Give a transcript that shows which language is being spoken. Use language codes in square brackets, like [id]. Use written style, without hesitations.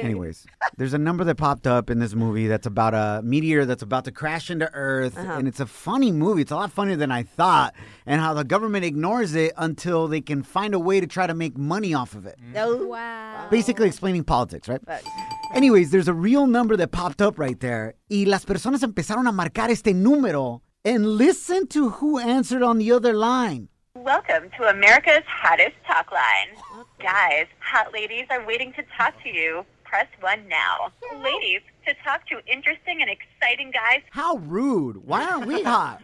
[en] Anyways, there's a number that popped up in this movie that's about a meteor that's about to crash into Earth. Uh-huh. And it's a funny movie. It's a lot funnier than I thought. And how the government ignores it until they can find a way to try to make money off of it. Oh, wow. Basically explaining politics, right? But. Anyways, there's a real number that popped up right there. [es] Y las personas empezaron a marcar este número. [en] And listen to who answered on the other line. Welcome to America's Hottest Talk Line. Guys, hot ladies are waiting to talk to you. Press 1 now. Ladies, to talk to interesting and exciting guys. How rude. Why aren't we hot?